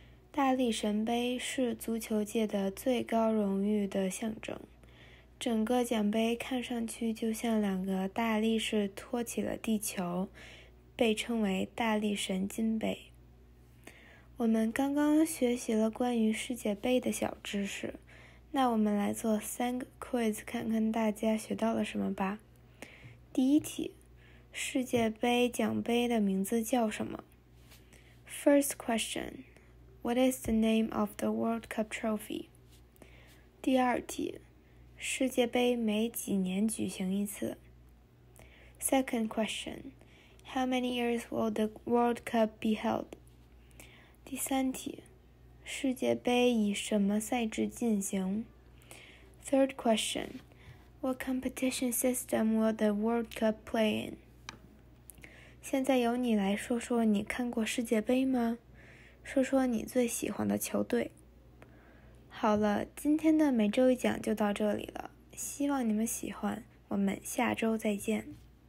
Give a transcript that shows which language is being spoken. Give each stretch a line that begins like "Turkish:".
Chinese: 大力神杯是足球界的最高荣誉的象征，整个奖杯看上去就像两个大力士托起了地球，被称为大力神金杯。我们刚刚学习了关于世界杯的小知识，那我们来做3个 quiz， 看看大家学到了什么吧。第一题，世界杯奖杯的名字叫什么？
English: First question, what is the name of the World Cup trophy?
Chinese: 第二题，世界杯每几年举行一次？
English: Second question, how many years will the World Cup be held?
Chinese: 第三题，世界杯以什么赛制进行？
English: Third question, what competition system will the World Cup play in?
Chinese: 现在由你来说说你看过世界杯吗？说说你最喜欢的球队。好了，今天的每周一讲就到这里了，希望你们喜欢，我们下周再见。